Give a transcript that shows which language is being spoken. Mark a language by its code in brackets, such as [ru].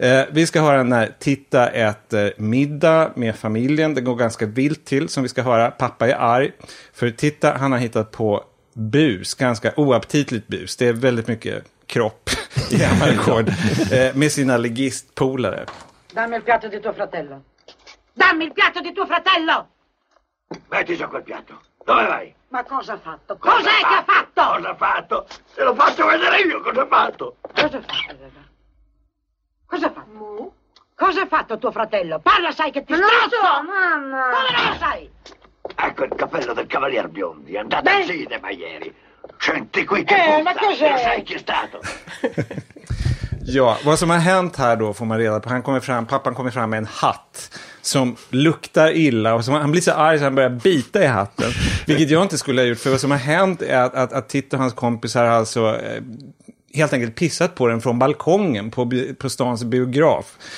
[sv] Vi ska höra när Titta äter middag med familjen. Det går ganska vilt till, som vi ska höra. Pappa är arg. För Titta, han har hittat på bus. Ganska oaptitligt bus. Det är väldigt mycket kropp i Amarcord. Med sina legistpolare. [it] Dammi il piatto di tuo fratello. Dammi il piatto di tuo fratello! Metti su quel piatto. Dove vai? Ma cosa ha fatto? Cos'è che ha fatto? Cosa ha fatto? Te lo faccio vedere io cosa ha fatto. Cosa ha fatto? Cosa ha fatto? Mm. Cosa ha fatto tuo fratello? Parla, sai che ti strozzo! Non lo so, mamma! Come non lo sai? Ecco il cappello del cavalier Biondi, è andato al cinema ieri. Senti qui che Ma cos'è? Lo sai chi è stato? [sv] Ja, vad som har hänt här då får man reda på. Pappan kommer fram med en hatt som luktar illa. Och han blir så arg så han börjar bita i hatten. Vilket jag inte skulle ha gjort. För vad som har hänt är att Titta och hans kompisar har alltså helt enkelt pissat på den från balkongen på stans biograf.